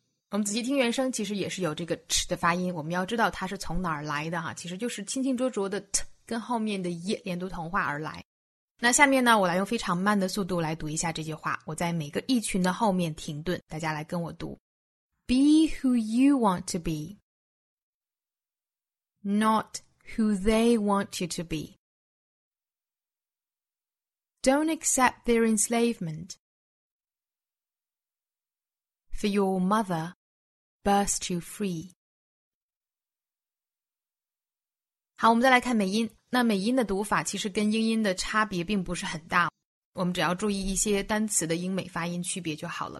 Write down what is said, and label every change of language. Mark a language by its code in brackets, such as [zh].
[zh] 我们仔细听原声，其实也是有这个 ch 的发音，我们要知道它是从哪儿来的哈，其实就是清清浊浊的 t 跟后面的 y 连读同化而来。那下面呢，我来用非常慢的速度来读一下这句话，我在每个 each 群的后面停顿，大家来跟我读。 [en] Be who you want to be, not who they want you to be. Don't accept their enslavement, for your mother burst you free. [zh] 好，我们再来看美音。那美音的读法其实跟英音的差别并不是很大，我们只要注意一些单词的英美发音区别就好了。